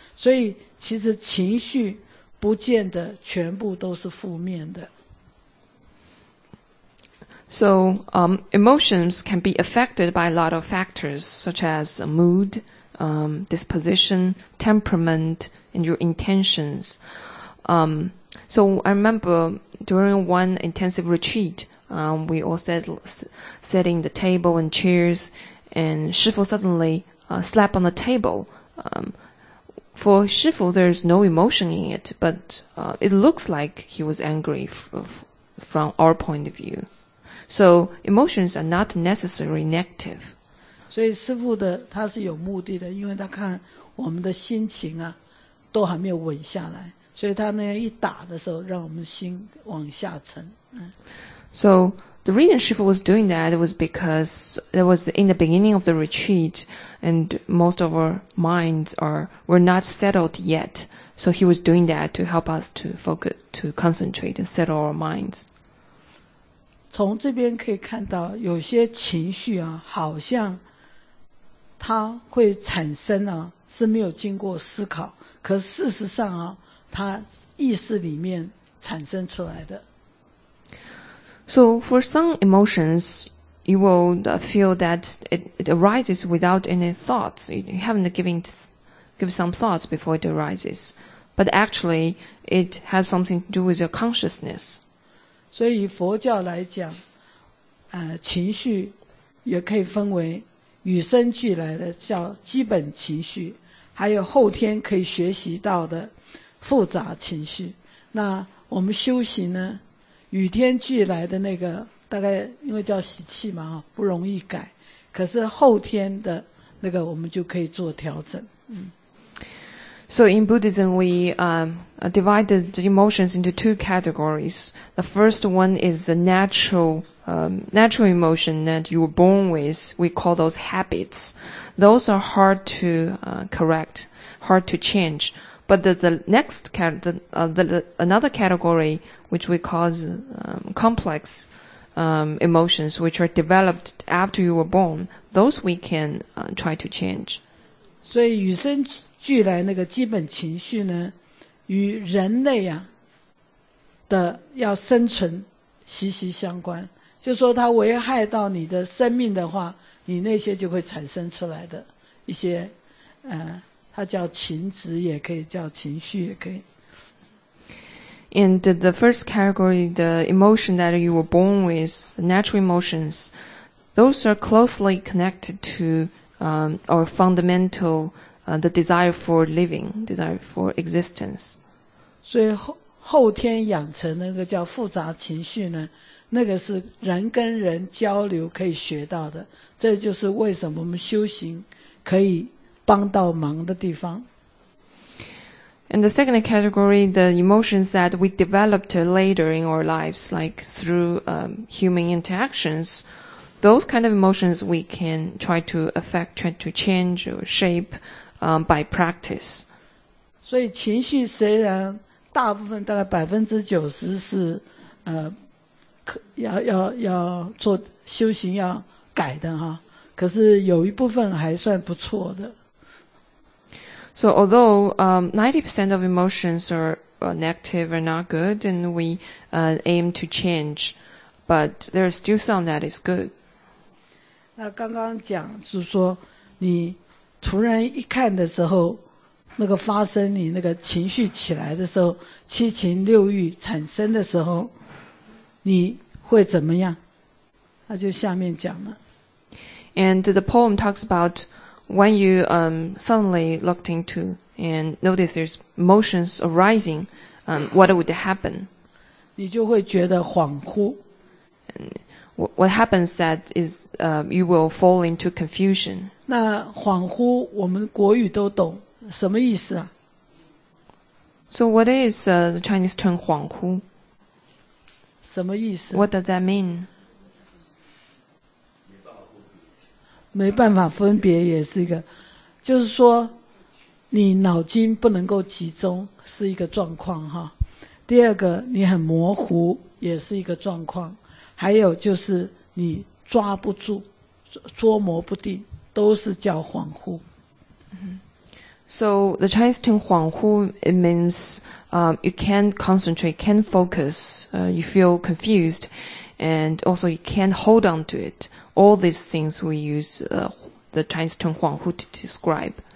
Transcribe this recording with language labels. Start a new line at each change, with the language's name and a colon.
Chinese: 所以其实情绪不见得全部都是负面的。
English: So, emotions can be affected by a lot of factors, such as mood, disposition, temperament, and your intentions. So I remember during one intensive retreat, we all sat in the table and chairs, and Shifu suddenly slapped on the table. For Shifu, there is no emotion in it, but it looks like he was angry from our point of view. So emotions are not necessarily negative.
Chinese: 所以师父的他是有目的的，因为他看我们的心情啊都还没有稳下来，所以他那样一打的时候让我们心往下沉。
English: So the reason师父 was doing that was because it was in the beginning of the retreat and most of our minds were not settled yet. So he was doing that to help us to focus, to concentrate and settle our minds.
Chinese: 从这边可以看到有些情绪啊好像它会产生啊是没有经过思考，可事实上啊它意识里面产生出来的。
English: So for some emotions you will feel that it arises without any thoughts, you haven't give some thoughts before it arises, but actually it has something to do with your consciousness.
Chinese: 所以以佛教来讲，情绪也可以分为与生俱来的叫基本情绪，还有后天可以学习到的复杂情绪。那我们修行呢，与天俱来的那个大概因为叫习气嘛，不容易改，可是后天的那个我们就可以做调整。
English: So in Buddhism, we divided the emotions into two categories. The first one is the natural emotion that you were born with. We call those habits. Those are hard to correct, hard to change. But another category, which we call complex emotions, which are developed after you were born, those we can try to change. So you think...
Chinese: 俱来那个基本情绪呢，与人类啊的要生存息息相关，就说它危害到你的生命的话，你那些就会产生出来的一些它叫情执也可以，叫情绪也可以。
English: And the first category, the emotion that you were born with, natural emotions, those are closely connected to our fundamentalthe desire for living, desire for existence.
Chinese: 所以后天养成那个叫复杂情绪呢，那个是人跟人交流可以学到的，这就是为什么我们修行可以帮到忙的地方。
English: And the second category, the emotions that we developed later in our lives, like through human interactions, those kind of emotions we can try to affect, try to change or shapeby practice.
Chinese: 所以情绪虽然大部分大概90%是要做修行要改的哈，可是有一部分还算不错的。
English: So although 90% of emotions are negative and not good and we aim to change, but there is still some that is good.
Chinese: 那刚刚讲是说你突然一看的时候，那个发生你那个情绪起来的时候，七情六欲产生的时候，你会怎么样？那就下面讲了。
English: And the poem talks about when you suddenly looked into and noticed there's emotions arising, what would happen?
Chinese: 你就会觉得恍惚。
English: And what happens that is, you will fall into confusion.
Chinese: 那恍惚，我们国语都懂，什么意思啊？
English: So what is, the Chinese term 恍惚？
Chinese: 什么意思？
English: What does that mean?
Chinese: 没办法分别也是一个，就是说你脑筋不能够集中是一个状况哈。第二个你很模糊也是一个状况，还有就是你抓不住捉摸不定都是叫恍惚。
English: So the Chinese term 恍惚 it means, you can't concentrate, can't focus, you feel confused, and also you can't hold on to it. All these things we use, the Chinese term 恍惚 to describe.